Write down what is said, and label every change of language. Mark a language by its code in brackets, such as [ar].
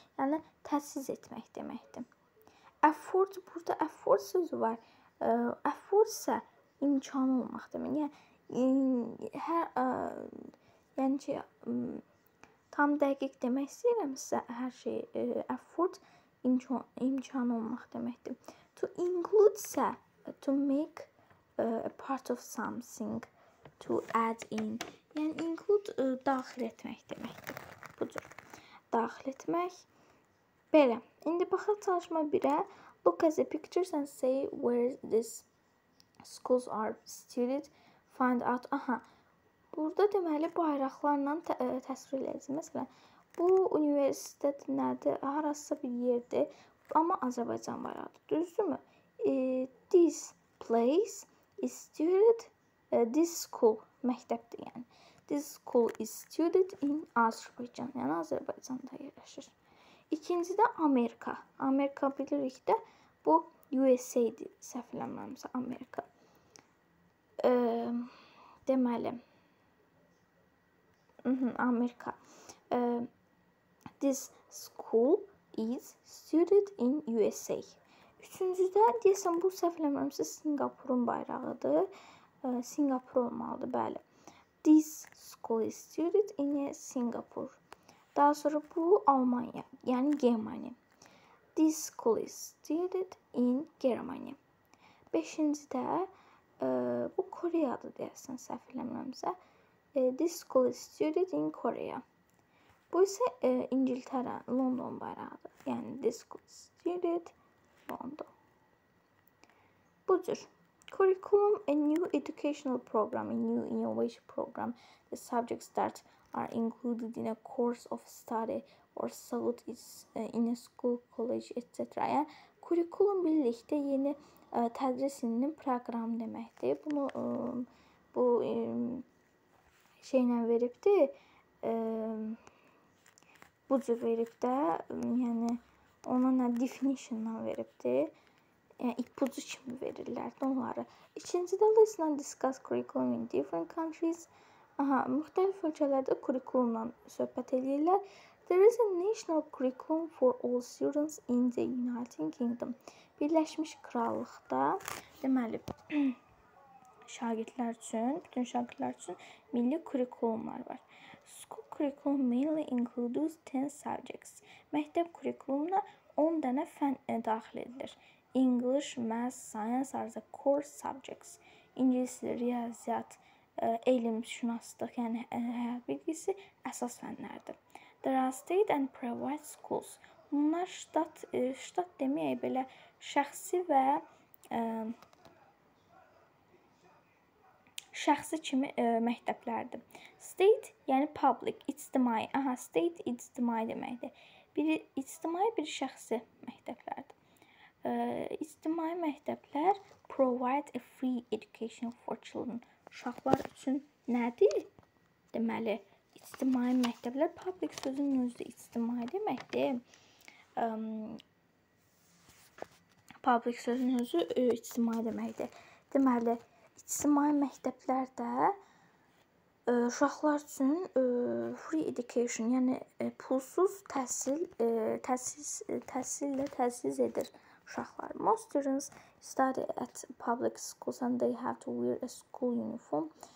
[az] Yəni təchiz etmək deməkdir. Afford, burada afford sözü var. Afford isə imkan olmaq deməkdir. Yəni hər yəni ki tam dəqiq demək istəyirəmsə hər şey afford imkan olmaq deməkdir. [en] To include isə to make a part of something, to add in. [az] Yəni include daxil etmək deməkdir. Budur. Daxil etmək. Belə. İndi baxaq çalışma 1-ə. [en] Look at the pictures and say where these schools are situated. Find out. Aha. [az] Burada deməli bayraqlarla təsvir eləyəcəyik. Məsələn, bu universitet nədir? Harası bir yerdir. Amma Azərbaycan bayrağıdır. Düzdürmü? [en] This place is situated this school [az] məktəbdir yəni. [en] This school is situated in Azerbaijan. [az] Yəni Azərbaycanda yerləşir. İkincidə Amerika. Amerika bilirik də bu USA-dir. Səhv eləmirəmsə Amerika. Deməli. Amerika. [en] This school is situated in USA. [az] Üçüncüdə, deyəsən, bu səhv eləmirəmsə Singapurun bayrağıdır. Singapur olmalıdır, bəli. [en] This school is situated in Singapore. [az] Daha sonra bu Almanya, yəni Germany. [en] This school is situated in Germany. [az] Beşincidə, bu Koreyadır, deyəsən, səhv eləmirəmsə. [en] This school is situated in Korea. [az] Bu isə İngiltərə, London bayrağıdır. Yəni, [en] this school is situated [az] budur. [en] Curriculum, a new educational program, a new innovation program. The subjects that are included in a course of study or sought is in a school, college, etc. [az] Yani, curriculum birlikte yeni tədrisinin proqramı deməkdir. Bunu bu şeylə veribdir. Bu cür veribdir. Yəni ona nə definition-la veribdir. Yəni, ipucu kimi verirlər də onları. İkincidə, listen and discuss curriculum in different countries. Aha, müxtəlif ölkələrdə curriculumla söhbət edirlər. [en] There is a national curriculum for all students in the United Kingdom. [az] Birləşmiş Krallıqda, deməli, şagirdlər üçün, bütün şagirdlər üçün milli curriculumlar var. [en] School curriculum mainly includes 10 subjects. [az] Məktəb kurikulumuna 10 dənə fən daxil edilir. [en] English, math, science are the core subjects. [az] İngilis, riyaziyyat, elm, şünaslıq, yəni həyat bilgisi əsas fənlərdir. [en] There are state and private schools. [az] Bunlar ştat, ştat deməyək belə şəxsi və şəxsi kimi məktəblərdir. State, yəni public, ictimai. Aha, state ictimai deməkdir. Biri ictimai, biri şəxsi məktəblərdir. İctimai məktəblər [en] provide a free education for children. [az] uşaqlar üçün nədir? Deməli, ictimai məktəblər public sözünün özü ictimai deməkdir. Public sözünün özü ictimai deməkdir. Deməli, ictimai məktəblər də uşaqlar üçün [en] free education, [az] yəni pulsuz təhsil edir uşaqlar. [en] Most students study at public schools and they have to wear a school uniform.